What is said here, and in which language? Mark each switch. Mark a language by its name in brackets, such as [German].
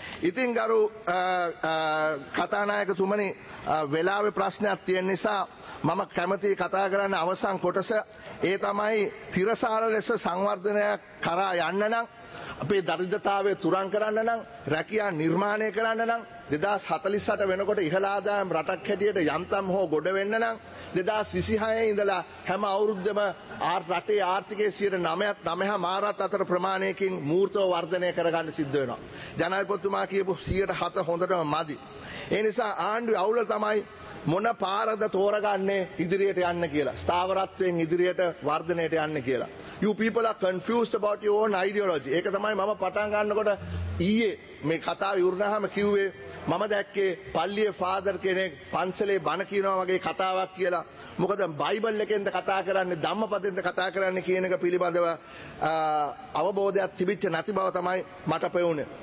[Sinhala] ඉතින් ගරු කතානායකතුමනි, වෙලාවේ ප්‍රශ්නයක් තියෙන නිසා මම කැමති කතා කරන්න අවසන් කොටස ඒ තමයි තිරසාර ලෙස සංවර්ධනයක් කරා යන්න නම් අපේ දරිද්‍රතාවය තුරන් කරන්න නම් රැකියා නිර්මාණය කරන්න නම් 2048 වෙනකොට ඉහළාදායම් රටක් හැටියට යන්තම් හෝ ගොඩ වෙන්න නම් 2026 ඉඳලා හැම අවුරුද්දම රටේ ආර්ථිකයේ 99% අතර ප්‍රමාණයකින් මූර්තව වර්ධනය කරගන්න සිද්ධ වෙනවා. ජනාධිපතිතුමා කියපු 7% හොඳටම මදි. ඒ නිසා ආණ්ඩුවේ අවුල තමයි මොන පාරද තෝරගන්නේ ඉදිරියට යන්න කියලා, ස්ථාවරත්වයෙන් ඉදිරියට වර්ධනයට යන්න කියලා. [English] You people are confused about your own ideology. [Sinhala] ඒක තමයි මම පටන් ගන්නකොට ඊයේ මේ කතාව ඉවරනහම කිව්වේ. මම දැක්කේ පල්ලියේ ෆාදර් කෙනෙක් පන්සලේ බණ කියනවා වගේ කතාවක් කියලා. මොකද බයිබල් එකෙන්ද කතා කරන්නේ, ධම්මපදෙන්ද කතා කරන්නේ කියන එක පිළිබඳව අවබෝධයක් තිබිච්ච නැති බව තමයි මට පෙවුනේ.